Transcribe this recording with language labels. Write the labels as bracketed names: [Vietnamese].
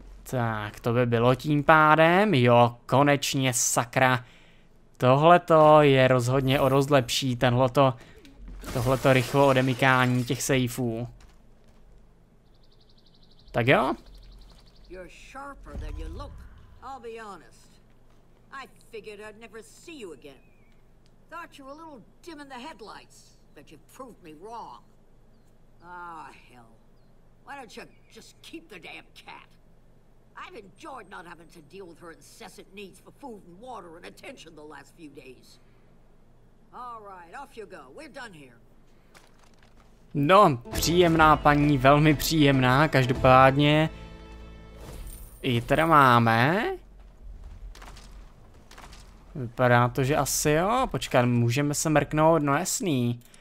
[Czech] Tak, to by bylo tím pádem. Jo, konečně, sakra. Tohleto je rozhodně o dost lepší, tenhleto, tohleto rychlo odemykání těch sejfů. Tak jo? [English] You're sharper than you look. I'll be honest. I figured I'd never see you again. Thought you were a little dim in the headlights, but you proved me wrong. Ah, hell. Why don't you just keep the damn cat? I've enjoyed not having to deal with her incessant needs for food and water and attention the last few days. All right, off you go. We're done here. [Czech] No, příjemná paní, velmi příjemná, každopádně. I teda máme. Vypadá to, že asi jo, počkat, můžeme se mrknout, no jasný.